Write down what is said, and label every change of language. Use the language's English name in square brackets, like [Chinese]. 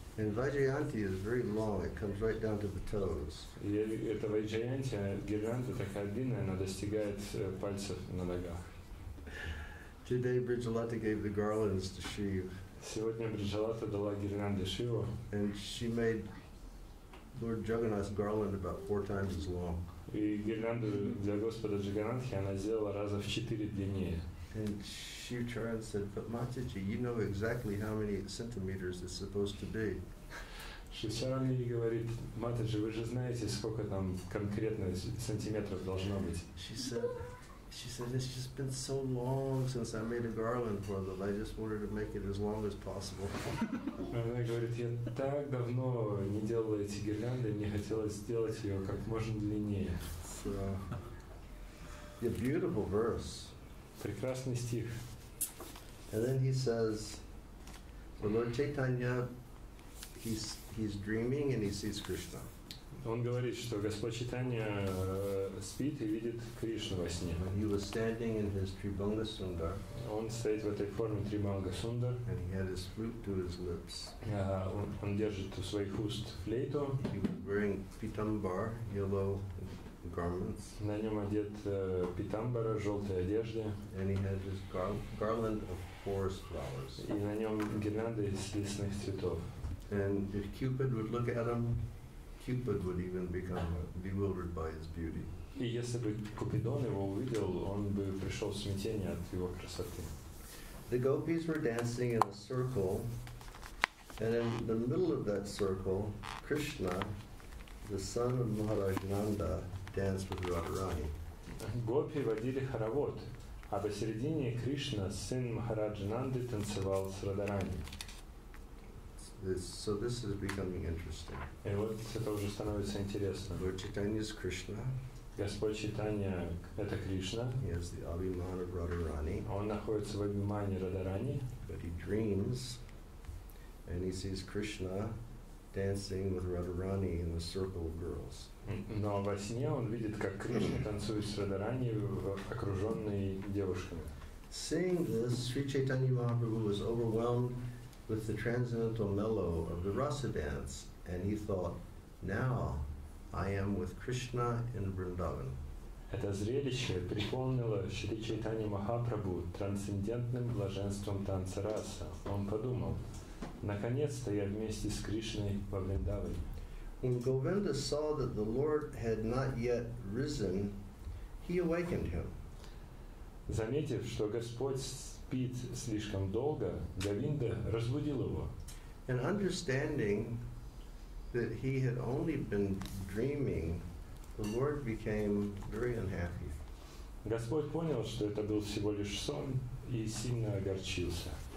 [English] And Vajrayanti is very long, it comes right down to the toes. [Russian] Это Vajrayanti, гирлянда такая длинная, она достигает пальцев на ногах. [English] Today Brijalata gave the garlands to Shiva. [Russian] Сегодня Брижалата дала гирлянды Шиву. [English] And she made Lord Jagannath's garland about four times as long. [Russian] И гирлянду для Господа Джаганатхи она сделала раза в четыре длиннее. [English] And Shiv Charan said, but Mataji, you know exactly how many centimeters it's supposed to be. [Russian] Shiv Charan мне говорит, Mataji, вы же знаете, сколько там конкретно сантиметров должно быть. [English] She said, it's just been so long since I made a garland for them. I just wanted to make it as long as possible. [Russian] Она говорит, я так давно не делала эти гирлянды, мне хотелось сделать ее как можно длиннее. [English] So, a beautiful verse. [Russian] Прекрасный стих. [English] And then he says, the Lord Chaitanya, he's dreaming and he sees Krishna. [Russian] Он говорит, что Господь Чайтанья спит и видит Кришну во сне. [English] When he was standing in his Tribhanga Sundar, [Russian] он стоит в этой форме Tribhanga Sundar, [English] and he had his flute to his lips. [Russian] Он держит у своих уст флейту. [English] He was wearing pitambar, yellow garments. [Russian] На нем одет питамбара, желтой одежды. [English] And he had his garland of forest flowers. [Russian] И на нем гирлянды из лесных цветов. [English] And if Cupid would look at him, Cupid would even become bewildered by his beauty. [Russian] И если бы Купидон его увидел, он бы пришел в смятение от его красоты. [English] The gopis were dancing in a circle, and in the middle of that circle, Krishna, the son of Maharaj Nanda, danced with Radharani. [Russian] Гопи водили хоровод, а посередине Кришна, сын Махараджа Нанды, танцевал с Радарани. [English] So this is becoming interesting. [Russian] И вот это уже становится интересно. [English] Lord Chaitanya is Krishna. [Russian] Господь Чайтанья это Кришна. [English] He has the Abhiman of Radharani. [Russian] Он находится в Абимане Радарани. [English] But he dreams and he sees Krishna dancing with Radharani in a circle of girls. [Russian] Но во сне он видит, как Кришна танцует с Радарани, окруженной девушками. [English] Seeing this, Sri Chaitanya Mahaprabhu was overwhelmed with the transcendental mellow of the rasa dance, and he thought, now I am with Krishna in Vrindavan. [Russian] Это зрелище приполнило Шри Чайтанья Махапрабху трансцендентным блаженством танца раса. Он подумал, наконец-то я вместе с Кришной во Вриндаване. [English] When Govinda saw that the Lord had not yet risen, he awakened him. [Russian] Заметив, что Господь спит слишком долго, Говинда разбудил его. [English] And understanding that he had only been dreaming, the Lord became very unhappy. [Russian] Господь понял, что это был всего лишь сон, и сильно огорчился.